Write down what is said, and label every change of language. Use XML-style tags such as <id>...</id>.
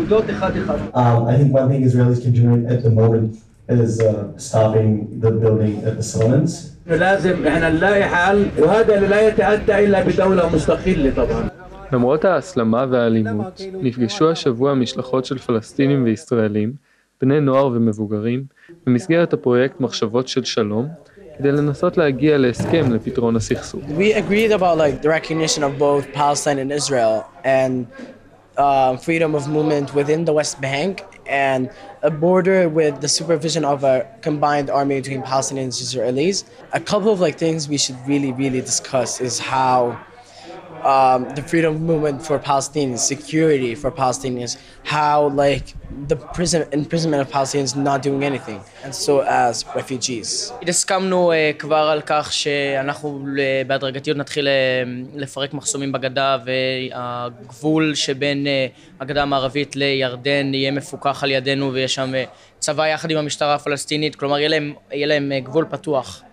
<en>I think one thing Israelis can do at the moment is stopping the building at the settlements.</en> <he>למרות ההסלמה והאלימות, נפגשו השבוע משלחות של פלסטינים וישראלים, בני נוער ומבוגרים, במסגרת הפרויקט מחשבות של שלום, כדי לנסות להגיע להסכם לפתרון הסכסוך.</he> <en>We agreed about like the recognition of both Palestine and Israel and freedom of movement within the West Bank and a border with the supervision of a combined army between Palestinians and Israelis. A couple of like things we should really really discuss is how the freedom of movement for Palestinians, security for Palestinians, how like the prison imprisonment of Palestinians not doing anything and so as refugees.</en> <he>הסכמנו כבר על כך שאנחנו בהדרגתיות נתחיל לפרק מחסומים בגדה והגבול שבין הגדה המערבית לירדן יהיה מפוקח על ידינו ויש שם צבא יחד עם המשטרה הפלסטינית, כלומר יהיה להם גבול פתוח.</he>